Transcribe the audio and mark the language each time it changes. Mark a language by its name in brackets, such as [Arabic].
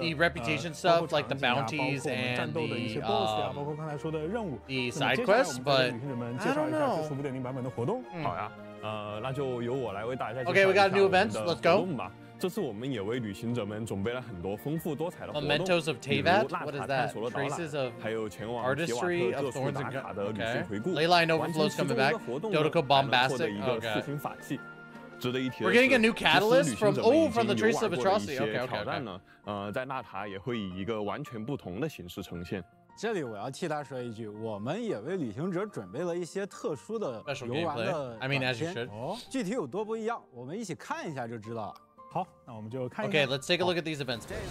[English] The reputation stuff, like the bounties and the side quests, but I don't know. [Chinese] 好呀，那就由我来为大家介绍一下 [English] Okay, we got a new event. Let's go. [Chinese] 这次我们也为旅行者们准备了很多丰富多彩的活动 [English] Mementos of Teyvat? What is that? Traces of Artistry of Thorns and Gun? Okay. Leyline Overflow is coming back. Dotoko Bombastic. Okay. We're getting a new catalyst from the Traces of Atrocity. Okay. [Chinese] 在纳塔也会以一个完全不同的形式呈现。这里我要替他说一句，我们也为旅行者准备了一些特殊的游玩的短片。 [English] I mean, as you should. [Chinese] 具体有多不一样，我们一起看一下就知道了。 [English] Okay, let's take a look at these events.